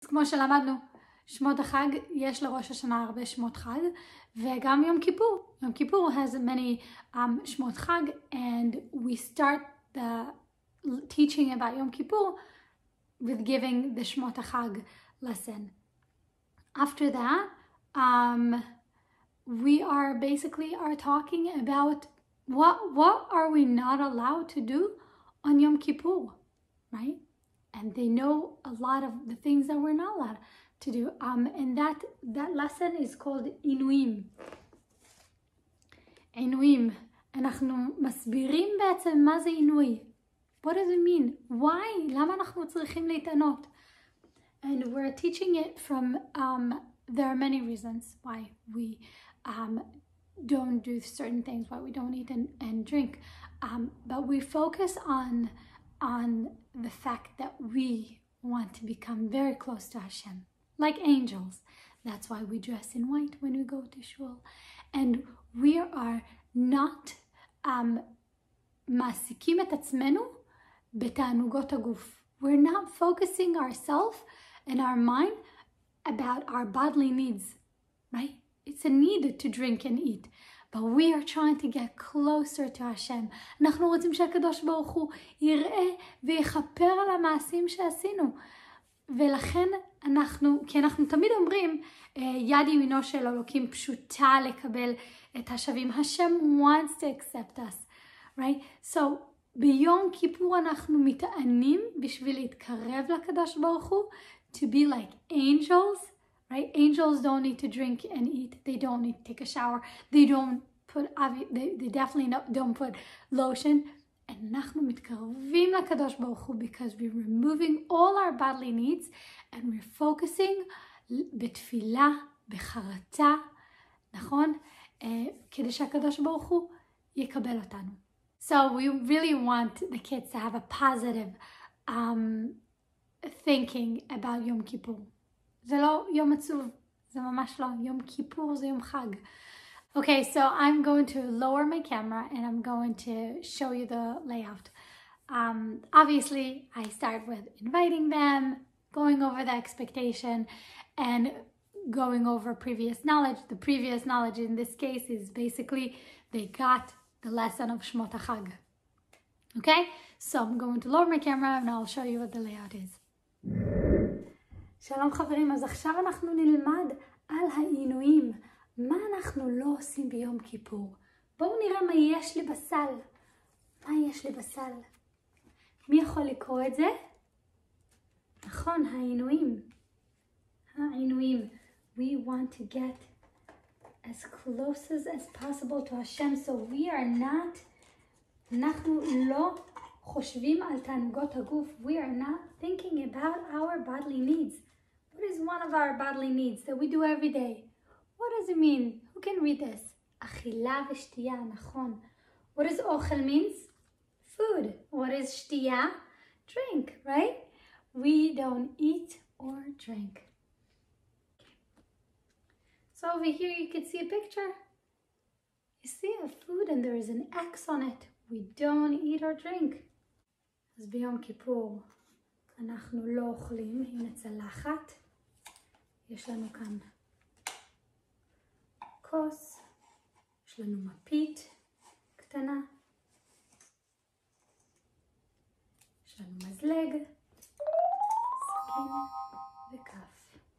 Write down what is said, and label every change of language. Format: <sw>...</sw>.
<he>כמו שלמדנו, שמות החג, יש לראש השנה הרבה שמות חג, וגם יום כיפור.</he> <en>יום כיפור has many שמות חג, and we start the teaching about יום כיפור with giving the שמות החג lesson. After that, we are basically are talking about what are we not allowed to do on Yom Kippur, right? And they know a lot of the things that we're not allowed to do. And that lesson is called Inuim. Inuim.</en> <he>אנחנו מסבירים בעצם מה זה עינוי.</he> <en>What does it mean? Why?</en> <he>למה אנחנו צריכים להתענות?</he> <en>And we're teaching it from there are many reasons why we don't do certain things, why we don't eat and drink. But we focus on the fact that we want to become very close to Hashem, like angels. That's why we dress in white when we go to shul. And we are not</en> <he>מעסיקים את עצמנו בתענוגות הגוף.</he> <en>We're not focusing ourselves and our mind about our bodily needs, right? It's a need to drink and eat. But we are trying to get closer to Hashem.</en> <he>אנחנו רוצים שהקדוש ברוך הוא יראה ויחפר על המעשים שעשינו. ולכן אנחנו, כי אנחנו תמיד אומרים, יד ימינו של אלוקים פשוטה לקבל את השבים.</he> <en>Hashem wants to accept us, right? So,</en> <he>ביום כיפור אנחנו מתענים בשביל להתקרב לקדוש ברוך הוא,</he> <en>to be like angels, right? Angels don't need to drink and eat. They don't need to take a shower. They don't put they definitely don't put lotion. And</en> <he>אנחנו מתקרבים לקדוש ברוך הוא</he> <en>because we're removing all our bodily needs and we're focusing</en> <he>בתפילה, בחרטה, נכון? כדי שהקדוש ברוך הוא יקבל אותנו.</he> <en>So we really want the kids to have a positive thinking about Yom Kippur.</en> <he>זה לא יום עצוב, זה ממש לא. יום כיפור זה יום חג.</he> <en>Okay, so I'm going to lower my camera and I'm going to show you the layout. Obviously, I start with inviting them, going over the expectation, and going over previous knowledge. The previous knowledge in this case is basically they got the lesson of Shmot HaChag. Okay, so I'm going to lower my camera and I'll show you what the layout is.</en> <he>שלום חברים, אז עכשיו אנחנו נלמד על העינויים. מה אנחנו לא עושים ביום כיפור? בואו נראה מה יש לי בסל. מה יש לי בסל? מי יכול לקרוא את זה? נכון, העינויים. העינויים.</he> <en>We want to get as close as possible to Hashem, so we are not...</en> <he>אנחנו לא חושבים על תענוגות הגוף.</he> <en>We are not thinking about our bodily needs. What is one of our bodily needs that we do every day? What does it mean? Who can read this?</en> <he>אכילה ושתייה, נכון.</he> <en>What does אוכל means? Food. What is שתייה? Drink, right? We don't eat or drink. So over here you can see a picture. You see a food and there is an X on it. We don't eat or drink.</en> <he>אז ביום כיפור אנחנו לא אוכלים. הנה צלחת. יש לנו כאן כוס, יש לנו מפית קטנה, יש לנו מזלג, סכין וכף.</he>